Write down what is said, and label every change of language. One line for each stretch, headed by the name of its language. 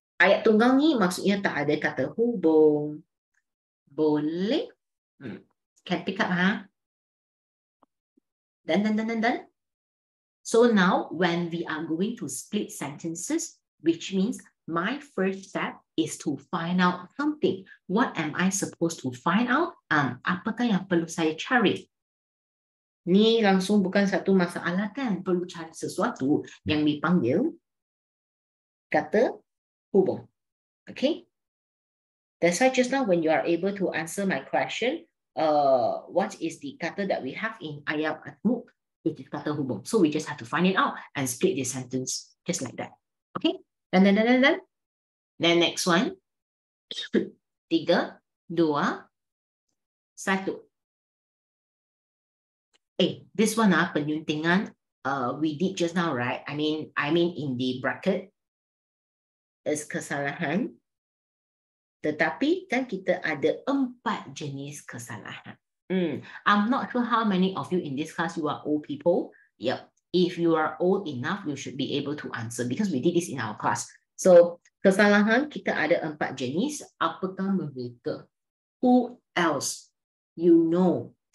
Malay: Ayat tunggal ni maksudnya tak ada kata hubung. Boleh? Hmm.
English: Can pick up, huh?
Malay: Dan, dan, dan, dan, dan.
English: So now, when we are going to split sentences, which means my first step is to find out something. What am I supposed to find out?
Malay: Apakah yang perlu saya cari? Ni langsung bukan satu masalah kan? Perlu cari sesuatu yang dipanggil kata hubung. Okay?
English: That's why just now when you are able to answer my question, what is the kata that we have in ayat atmu? It is kata hubung. So we just have to find it out and split the sentence just like that.
Malay: Okay? Dan, dan, dan, dan, dan.
English: Then next one.
Malay: Tiga, dua, satu.
English: This one, penyuntingan, we did just now, right? I mean in the bracket, is kesalahan.
Malay: Tetapi kan kita ada empat jenis kesalahan.
English: I'm not sure how many of you in this class you are old people. Yep. If you are old enough, you should be able to answer because we did this in our class.
Malay: So, kesalahan kita ada empat jenis. Apakah mereka?
English: Who else? You know.